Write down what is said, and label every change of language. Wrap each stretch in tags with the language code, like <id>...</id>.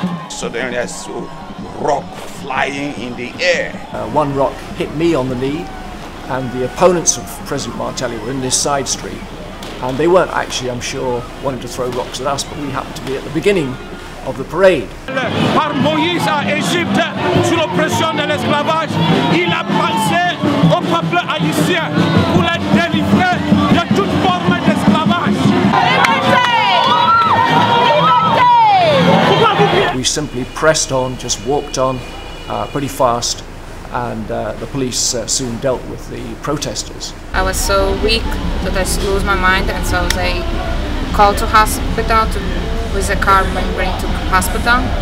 <en>Suddenly I saw rock flying in the air. One rock hit me on the knee, and the opponents of President Martelly were in this side street. And they weren't actually, I'm sure, wanting to throw rocks at us, but we happened to be at the beginning of the parade.</en> <fr>Par Moïse à Égypte, sous l'oppression de l'esclavage, il a passé au peuple haïtien pour les délivrer de toute forme d'esclavage. Liberté! Liberté!</fr> <en>We simply pressed on, just walked on pretty fast, and the police soon dealt with the protesters. I was so weak that I lost my mind, and so I was called to hospital to with a car bring to hospital.</en>